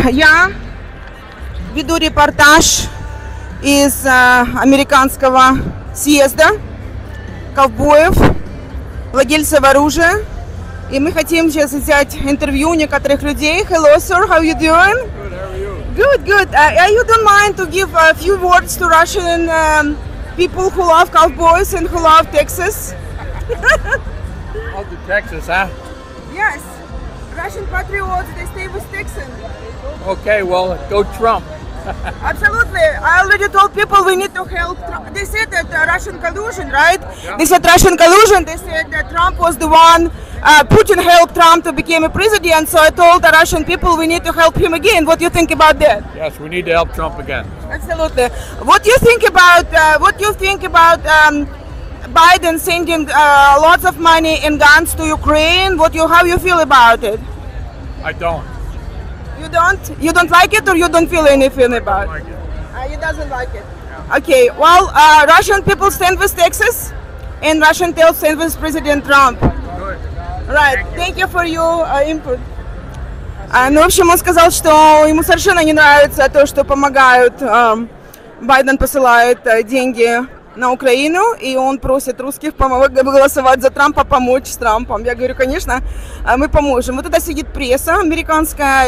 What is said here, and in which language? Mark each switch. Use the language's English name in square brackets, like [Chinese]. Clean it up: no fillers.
[Russian] Я веду репортаж из американского съезда ковбоев, владельцев оружия. И мы хотим сейчас взять интервью некоторых людей. [English] Hello, sir, how are you doing? Good, good. You don't mind to give a few words to Russian people who love cowboys and who love Texas? Love the Texas, huh? Yes. Russian patriots, they stay with Texan. Okay, well, go Trump. Absolutely. I already told people we need to help Trump. They said that Russian collusion, right? Yeah. They said Russian collusion. They said that Trump was the one. Putin helped Trump to become a president, so I told the Russian people we need to help him again. What do you think about that? Yes, we need to help Trump again. Absolutely. What do you think about Biden sending lots of money and guns to Ukraine? How you feel about it? I don't. You don't? You don't like it, or you don't feel anything about it? I don't like it. He doesn't like it. Yeah. Okay. Well, Russian people stand with Texas, and Russian people stand with President Trump. Right. Thank you for your input. [Russian] Ну, в общем, он сказал, что ему совершенно не нравится то, что помогают, Байден посылает деньги на Украину, и он просит русских голосовать за Трампа, помочь с Трампом. Я говорю, конечно, мы поможем. Вот это сидит пресса американская.